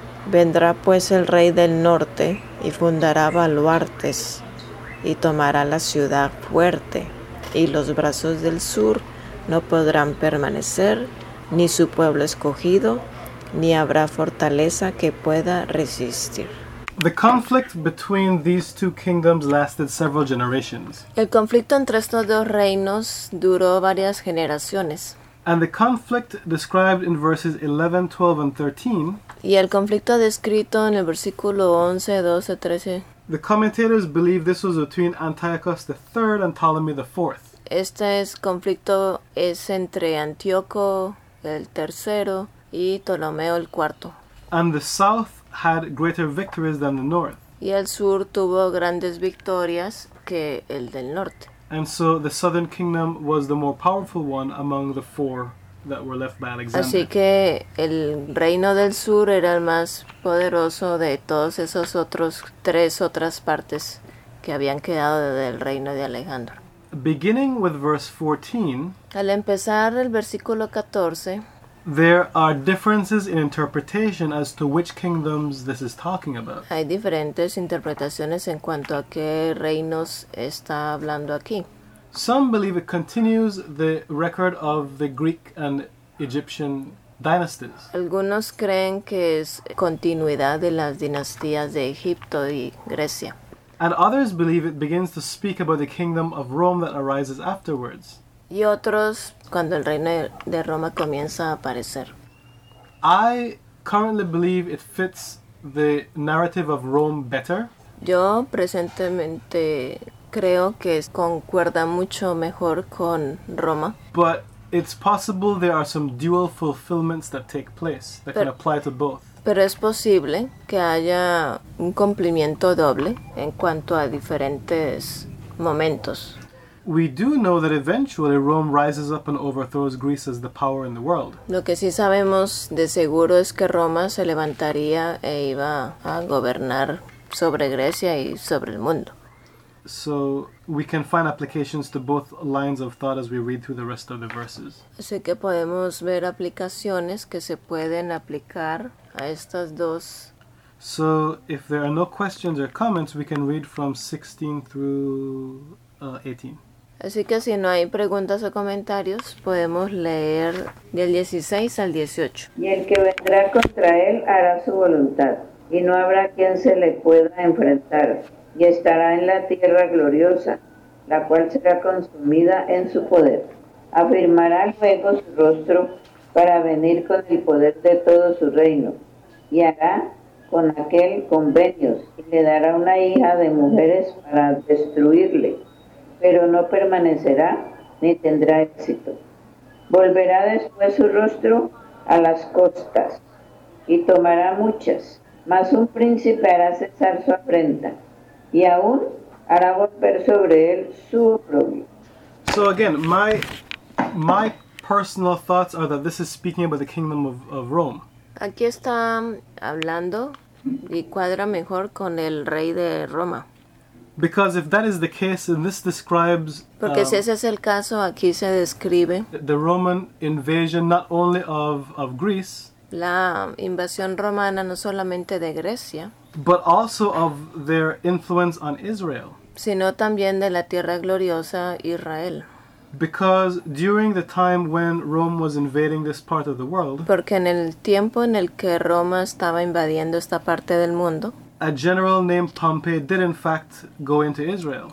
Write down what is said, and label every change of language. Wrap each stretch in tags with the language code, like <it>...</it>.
<es>Vendrá pues el rey del norte y fundará baluartes y tomará la ciudad fuerte, y los brazos del sur no podrán permanecer, ni su pueblo escogido, ni habrá fortaleza que pueda resistir.</es> <en>The conflict between these two kingdoms lasted several generations.</en> <es>El conflicto entre estos dos reinos duró varias generaciones.</es> <en>And the conflict described in verses 11, 12, and 13.</en> <es>Y el conflicto descrito en el versículo 11, 12, 13.</es> <en>The commentators believe this was between Antiochus III and Ptolemy IV.</en> <es>Este es conflicto es entre Antíoco el III y Ptolomeo el IV.</es> <en>And the south had greater victories than the north.</en> <es>Y el sur tuvo grandes victorias que el del norte.</es> <en>And so the southern kingdom was the more powerful one among the four that were left by Alexander.</en> <es>Así que el reino del sur era el más poderoso de todos esos otros tres otras partes que habían quedado del reino de Alejandro.</es> <en>Beginning with verse 14.</en> <es>Al empezar el versículo 14.</es> <en>There are differences in interpretation as to which kingdoms this is talking about.</en> <es>Hay diferentes interpretaciones en cuanto a qué reinos está hablando aquí.</es> <en>Some believe it continues the record of the Greek and Egyptian dynasties.</en> <es>Algunos creen que es continuidad de las dinastías de Egipto y Grecia.</es> <en>And others believe it begins to speak about the kingdom of Rome that arises afterwards.</en> <es>Y otros, cuando el reino de Roma comienza a aparecer.</es> <en>I currently believe it fits the narrative of Rome better.</en> <es>Yo presentemente creo que concuerda mucho mejor con Roma.</es> <en>But it's possible there are some dual fulfillments that take place that can apply to both.</en> <es>Pero es posible que haya un cumplimiento doble en cuanto a diferentes momentos.</es> <en>We do know that eventually Rome rises up and overthrows Greece as the power in the world.</en> <es>Lo que sí sabemos de seguro es que Roma se levantaría e iba a gobernar sobre Grecia y sobre el mundo.</es> <en>So we can find applications to both lines of thought as we read through the rest of the verses.</en> <es>Así que podemos ver aplicaciones que se pueden aplicar a estas dos.</es> <en>So if there are no questions or comments, we can read from 16 through 18.</en> <es>Así que si no hay preguntas o comentarios, podemos leer del 16 al 18. Y el que vendrá contra él hará su voluntad, y no habrá quien se le pueda enfrentar, y estará en la tierra gloriosa, la cual será consumida en su poder. Afirmará luego su rostro para venir con el poder de todo su reino, y hará con aquel convenios, y le dará una hija de mujeres para destruirle. Pero no permanecerá ni tendrá éxito. Volverá después su rostro a las costas y tomará muchas, mas un príncipe hará cesar su afrenta y aún hará volver sobre él su oprobio.</es> <en>So again, my personal thoughts are that this is speaking about the kingdom of Rome.</en> <es>Aquí está hablando y cuadra mejor con el rey de Roma.</es> <en>Because if that is the case, then this describes</en> <es>porque si ese es el caso, aquí se describe</es> <en>the Roman invasion not only of Greece,</en> <es>la invasión romana no solamente de Grecia,</es> <en>but also of their influence on Israel,</en> <es>sino también de la tierra gloriosa Israel.</es> <en>Because during the time when Rome was invading this part of the world,</en> <es>porque en el tiempo en el que Roma estaba invadiendo esta parte del mundo,</es> <en>a general named Pompey did in fact go into Israel.</en>